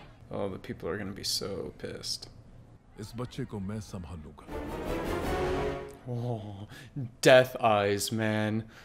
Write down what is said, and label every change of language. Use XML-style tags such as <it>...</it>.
<en>Oh, the people are going to be so pissed.</en> <hi>इस बच्चे को मैं संभालूंगा.</hi> <en>Oh, death eyes, man.</en>